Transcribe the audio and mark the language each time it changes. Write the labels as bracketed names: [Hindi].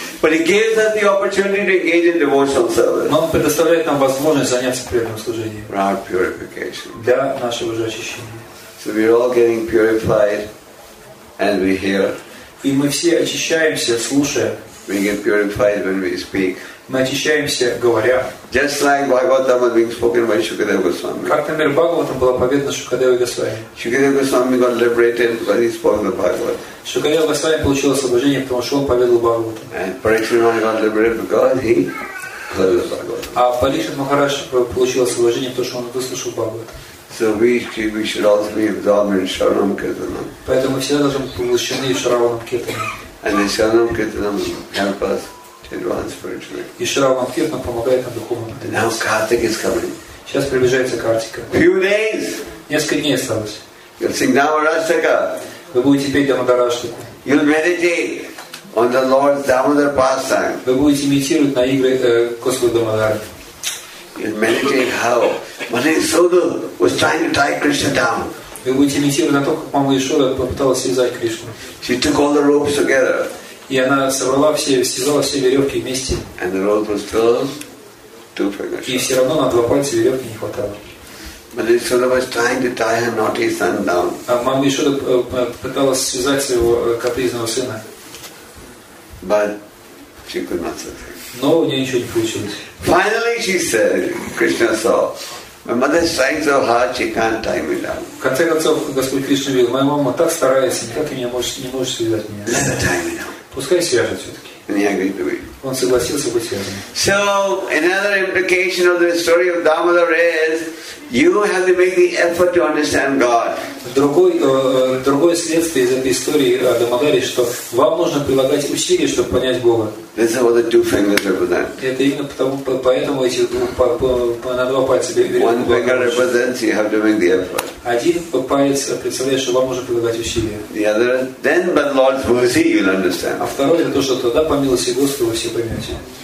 [English] But he gives us the opportunity to engage in devotional service. [Russian] Но он предоставляет нам возможность заняться преданным служением. [English] For our purification. [Russian] Для нашего же очищения. [English] So we are all getting purified as we hear. [Russian] И мы все очищаемся, слушая. [English] We get purified when we speak. [Russian] Мы очищаемся, говоря. [English] Just like Bhagavatam was being spoken by Shukadeva Goswami. [Russian] Как, например, Бхагаватам была поведена Шукадева Госвами. [English] Shukadeva Goswami got liberated when he spoke the Bhagavat. [Russian] Шукадева Госвами получил освобождение, потому что он поведал Бхагаватам. [English] And Parikshit got liberated because he heard the Bhagavat. [Russian] А Парикшит Махарадж получил освобождение, потому что он выслушал Бхагавата. [English] So we should also be absorbed in Sharanam Kirtanam. [Russian] Поэтому все должны быть поглощены Шараванам Киртанам. [English] And the Sharanam Kirtanam help us to advance spiritually. [Russian] И Шараванам Киртанам помогает нам духовно. [English] And now Kartik is coming. [Russian] Сейчас приближается Картика. [English] Few days. [Russian] Несколько дней осталось. [English] You'll sing Damodarashtaka. [Russian] Вы будете петь Дамодараштаку. [English] You'll meditate on the Lord's Damodar pastime. [Russian] Вы будете медитировать на игры Господа Дамодара. [English] You'll meditate how Manisoda was trying to tie Krishna down. [Russian] Вы будете медитировать на то, как мама Ишода попыталась связать Кришну. [English] She took all the ropes together. [Russian] И она собрала все, связала все веревки вместе. [English] And the rope was still too fragile. [Russian] И все равно на два пальца веревки не хватало. [English] Manisoda was trying to tie her naughty son down. [Russian] А мама Ишода пыталась связать своего капризного сына. [English] But she could not succeed. [Russian] Но у нее ничего не получилось. [English] Finally, she said, Krishna saw, my mother is trying so hard, she can't tie me down. [Russian] В конце концов, Господь Кришна видел, моя мама так старается, никак не может связать меня. [English] Let her tie me down. [Russian] Пускай свяжет все-таки. [English] And he agreed to it. [Russian] Он согласился быть связанным. [English] So, another implication of the story of Damodar is, you have to make the effort to understand God. [Russian] Другое следствие из этой истории о Дамодаре, что вам нужно прилагать усилия, чтобы понять Бога. [English] This is what the two fingers represent. [Russian] Это именно потому, поэтому эти на два пальца берет. [English] One finger represents you have to make the effort. [Russian] Один палец представляет, что вам нужно прилагать усилия. [English] The other, then by Lord's mercy you'll understand. [Russian] А второе это то, что тогда по милости Господа вы все поймете.